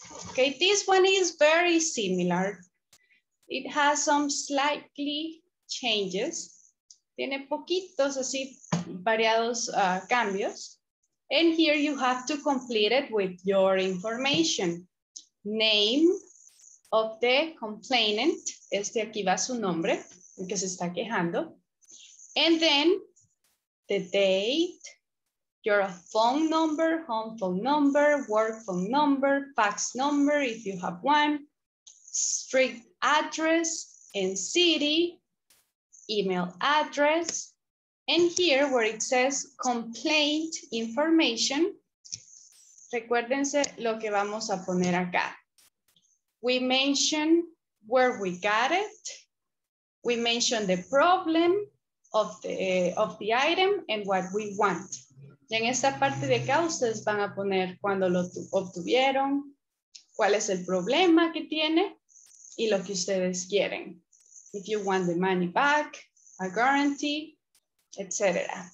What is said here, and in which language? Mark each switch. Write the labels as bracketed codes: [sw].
[en] Okay, this one is very similar. It has some slightly changes. [es] Tiene poquitos así variados cambios. [en] And here you have to complete it with your information. Name of the complainant. [es] Este aquí va su nombre, el que se está quejando. [en] And then the date. Your phone number, home phone number, work phone number, fax number, if you have one, street address and city, email address. And here where it says complaint information, [es] recuérdense lo que vamos a poner acá. [en] We mention where we got it. We mention the problem of the item and what we want. [es] Y en esta parte de acá, ustedes van a poner cuándo lo obtuvieron, cuál es el problema que tiene y lo que ustedes quieren. [en] If you want the money back, a guarantee, etc.